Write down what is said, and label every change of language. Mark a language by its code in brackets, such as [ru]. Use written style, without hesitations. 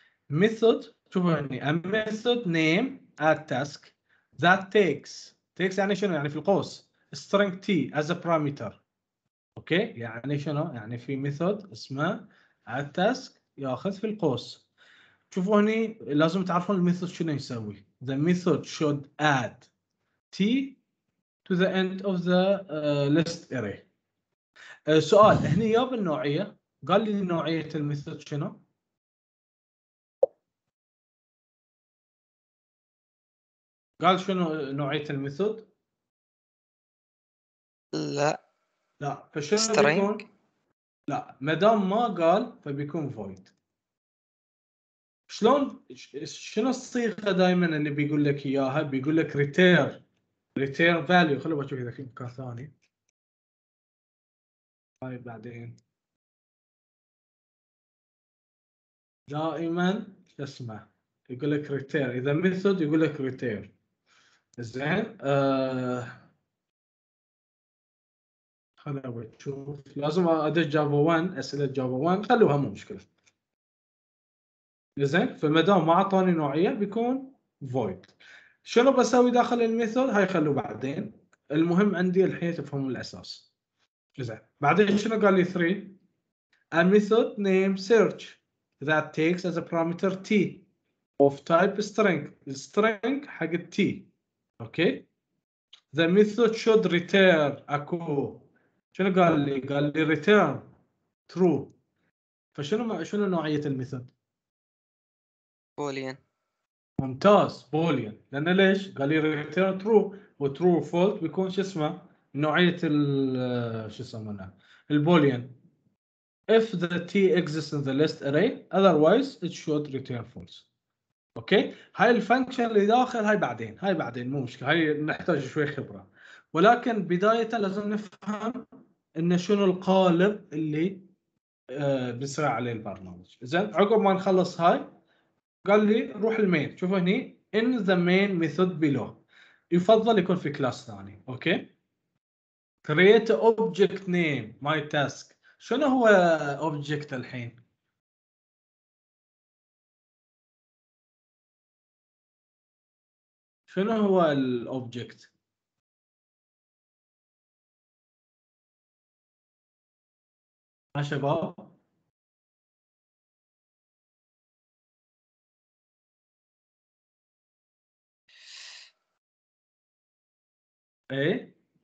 [ar] ميثود شوفوا هني [en] a method name at task that takes [ar] يعني شنو؟ يعني في القوس [en] string t as a parameter. [ar] اوكي يعني شنو؟ يعني في method اسمه at task ياخذ في القوس. شوفوا هني لازم تعرفون الميثود شنو يسوي. [en] the method should add t to the end of the list array. [ar] سؤال هني ياب النوعية، قال لي نوعية الميثود شنو؟ قال شنو نوعية الميثود؟ لا فشنو string. بيكون؟ لا مدام ما قال فبيكون void. شلون شنو الصيغة دائما اللي بيقول لك إياها؟ بيقول لك return value. خلوا بشوف إذا في مكان ثاني. طيب بعدين دائما اسمع يقول لك return، إذا method يقول لك return. زين خلوا نشوف، لازم ادش جافا 1 اسئله جافا 1 خلوها مو مشكله. زين فما دام ما اعطاني نوعيه بيكون void. شنو بسوي داخل الميثود؟ هاي خلوه بعدين، المهم عندي الحين تفهموا الاساس. زين بعدين شنو قال لي [en] 3 a method name search that takes as a parameter t of type string. [ar] string حق t. اوكي ذا ميثود شود ريتير اكو. شنو قال لي؟ قال لي ريتير ترو. فشنو نوعيه الميثود؟ بوليان. ممتاز بوليان. لان ليش؟ قال لي ريتير ترو، وترو فولت بيكون شو اسمه نوعيه شو اسمه البوليان. [en] if the t exists in the list array otherwise it should return false. [ar] اوكي هاي الفانكشن اللي داخل هاي بعدين مو مشكله، هاي نحتاج شوي خبره. ولكن بدايه لازم نفهم ان شنو القالب اللي بنسرع عليه البرنامج. زين عقب ما نخلص هاي قال لي روح المين. شوف هني [en] in the main method below [ar] يفضل يكون في كلاس ثاني. [en] Okay create object name my task. [ar] شنو هو object الحين؟ شنو هو الأوبجكت؟ ما شباب؟ إيه؟